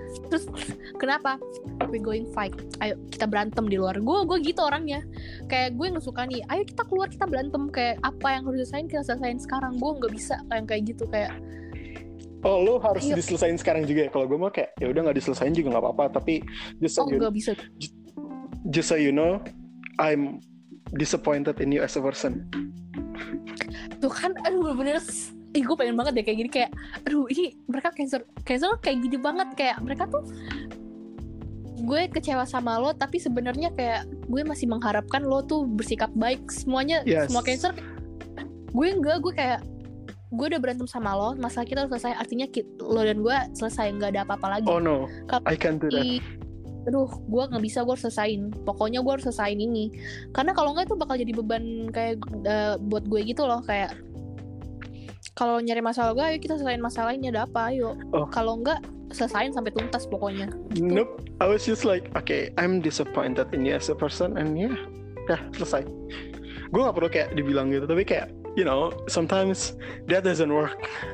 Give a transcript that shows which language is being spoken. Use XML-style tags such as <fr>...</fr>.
<id>Terus kenapa?</id> <en>We going fight.</en> <id>Ayo kita berantem di luar. Gue gitu orangnya. Kayak gue gak suka nih, ayo kita keluar, kita berantem. Kayak apa yang harus diselesain, kita selesain sekarang. Gue gak bisa kayak gitu. Kayak, oh lo harus ayo diselesain sekarang juga ya. Kalau gue mah kayak ya udah gak diselesain juga gak apa-apa. Tapi</id> <en>just so, oh, you,</en> <id>gak bisa.</id> <en>Just so you know, I'm disappointed in you as a person.</en> <id>Tuh kan, aduh bener-bener, ih gue pengen banget deh kayak gini, kayak aduh ini mereka cancer kayak gini banget, kayak mereka tuh gue kecewa sama lo tapi sebenarnya kayak gue masih mengharapkan lo tuh bersikap baik semuanya. Yes. Semua cancer gue enggak, gue kayak gue udah berantem sama lo, masalah kita udah selesai, artinya lo dan gue selesai, nggak ada apa-apa lagi.</id> <en>Oh no, I can't do that.</en> <id>Aduh, gue gak bisa, gue harus selesain. Pokoknya gue harus selesain ini. Karena kalau enggak itu bakal jadi beban kayak buat gue gitu loh. Kayak kalau nyari masalah gue, ayo kita selesain masalah ini, ada apa, ayo. Oh. Kalau enggak, selesain sampai tuntas pokoknya. Gitu.</id> <en>Nope, I was just like, okay, I'm disappointed in you as a person, and yeah,</en> <id>dah, selesai. Gue gak perlu kayak dibilang gitu, tapi kayak,</id> <en>you know, sometimes that doesn't work.</en>